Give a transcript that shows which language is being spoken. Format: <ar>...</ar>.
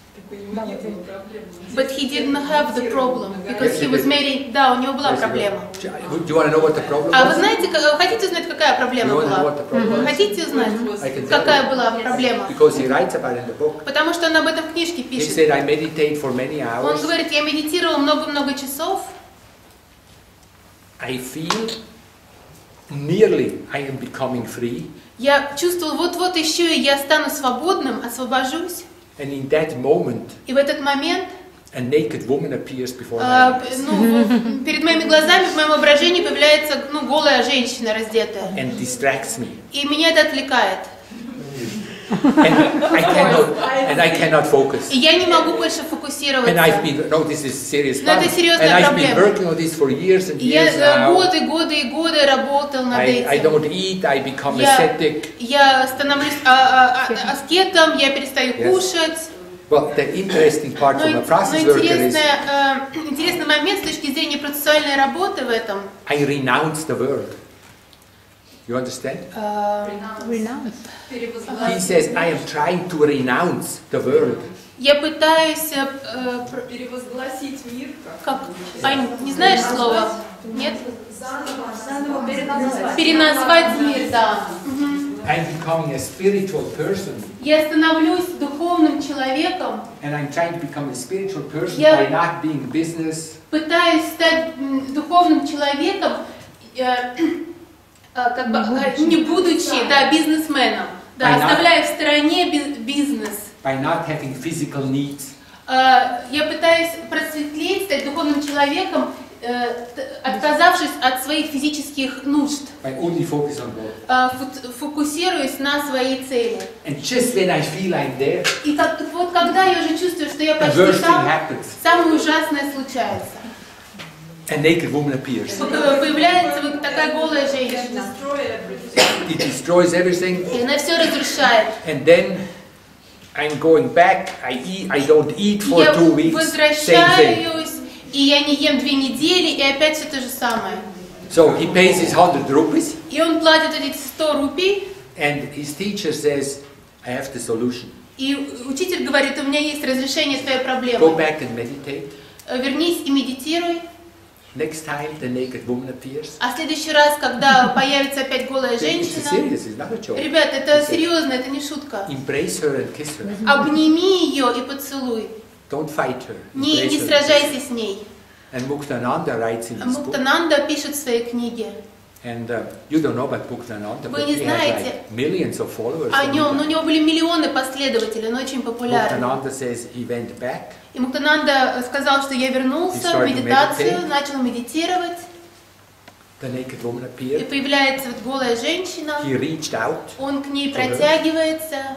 <en>But he didn't have the problem because he was married.</en> <ru>Да, у него была проблема.</ru> <en>Do you want to know what the problem was?</en> <ru>А вы знаете, хотите узнать, какая проблема была? Хотите узнать, какая была проблема?</ru> <en>Because he writes about it in the book.</en> <ru>Потому что он об этом в книжке пишет.</ru> <en>He said I meditate for many hours.</en> <ru>Он говорит, я медитировал много-много часов.</ru> <en>I feel nearly I am becoming free.</en> <ru>Я чувствовал, вот-вот еще и я стану свободным, освобожусь.</ru> <en>And in that moment,</en> <ru>и в этот момент,</ru> <en>a naked woman appears before</en> <ru>ну, перед моими глазами, в моем воображении появляется ну, голая женщина, раздетая.</ru> <en>And distracts me.</en> <ru>И меня это отвлекает.</ru> <en>And I cannot focus.</en> <ru>И я не могу больше фокусироваться.</ru> <en>And I've been, no, this is serious.</en> <ru>Но это серьезная</ru> <en>and</en> <ru>проблема.</ru> <en>And I've been working on this for years and years now.</en> <ru>Я годы работал над этим.</ru> <en>I don't eat. I become ascetic.</en> <ru>Я становлюсь аскетом. Я перестаю кушать.</ru> <en>Well, the interesting part from the process worker is.</en> <ru>Интересный момент с точки зрения процессуальной работы в этом.</ru> <en>I renounce the world. You understand? Renounce. He says, I am trying to renounce the world.</en> <ru>Я пытаюсь перевозгласить мир. Как? Ань, не знаешь слова? Нет? Заново переназвать мир, да.</ru> <en>I'm becoming a spiritual person.</en> <ru>Я становлюсь духовным человеком.</ru> <en>And I'm trying to become a spiritual person by not being business.</en> <ru>Пытаюсь стать духовным человеком. Не будучи бизнесменом, да, оставляя в стороне бизнес.</ru> <en>By not having physical needs.</en> <ru>Я пытаюсь просветлеть, стать духовным человеком, отказавшись от своих физических нужд.</ru> <en>By only focus on God.</en> <ru>Фокусируясь на своей цели.</ru> <en>And just when I feel I'm there.</en> <ru>И как вот когда я уже чувствую, что я почти там, самое ужасное случается.</ru> <en>A naked woman appears.</en> <ru>Появляется вот такая голая женщина.</ru> <en>It destroys everything.</en> <ru>И она все разрушает.</ru> <en>And then I'm going back. I eat. I don't eat for 2 weeks.</en> <ru>Я возвращаюсь, и я не ем 2 недели, и опять все то же самое.</ru> <en>So he pays his 100 rupees.</en> <ru>И он платит эти 100 рупий.</ru> <en>And his teacher says, I have the solution.</en> <ru>И учитель говорит, у меня есть разрешение своей проблемы.</ru> <en>Go back and meditate.</en> <ru>Вернись и медитируй.</ru> <en>Next time the naked woman appears.</en> <ru>А следующий раз, когда появится опять голая женщина.</ru> <en>It's serious, it's not a joke.</en> <ru>Ребят, это серьезно, это не шутка.</ru> <en>Embrace her and kiss her.</en> <ru>Обними ее и поцелуй.</ru> <en>Don't fight her.</en> <ru>Не сражайся с ней.</ru> <en>And Muktananda writes in his book.</en> <ru>Muktananda пишет в своей книге.</ru> <en>And you don't know about Muktananda, but he has like millions of followers.</en> <ru>О нем, но у него были миллионы последователей, он очень популярен.</ru> <en>Muktananda says he went back.</en> <ru>И Муктананда сказал, что я вернулся в медитацию, начал медитировать.</ru> <en>The naked woman appeared.</en> <ru>И появляется вот голая женщина.</ru> <en>He reached out.</en> <ru>Он к ней протягивается.</ru>